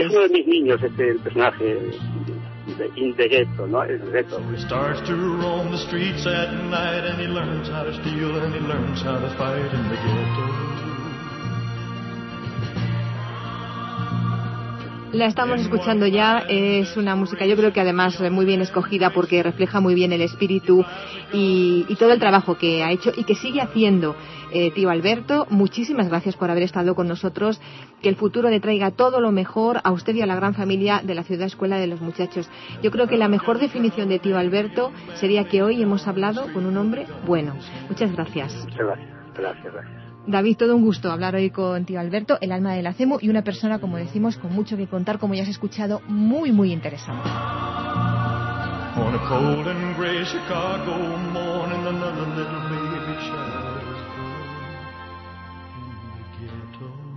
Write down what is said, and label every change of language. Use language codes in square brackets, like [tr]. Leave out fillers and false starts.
[es] Es uno de mis niños, el personaje de In the Ghetto, ¿no? El Ghetto. [en] So he starts to roam the streets at night, and he learns how to steal, and he learns how to fight in the ghetto. [es] La estamos escuchando ya, es una música yo creo que además muy bien escogida porque refleja muy bien el espíritu y todo el trabajo que ha hecho y que sigue haciendo. Tío Alberto, muchísimas gracias por haber estado con nosotros. Que el futuro le traiga todo lo mejor a usted y a la gran familia de la Ciudad Escuela de los Muchachos. Yo creo que la mejor definición de Tío Alberto sería que hoy hemos hablado con un hombre bueno. Muchas gracias. Muchas gracias. David, todo un gusto hablar hoy con tío Alberto, el alma de la CEMU, y una persona, como decimos, con mucho que contar, como ya has escuchado, muy, muy interesante. [en] On a cold and gray Chicago morning, another little baby child is born in the ghetto.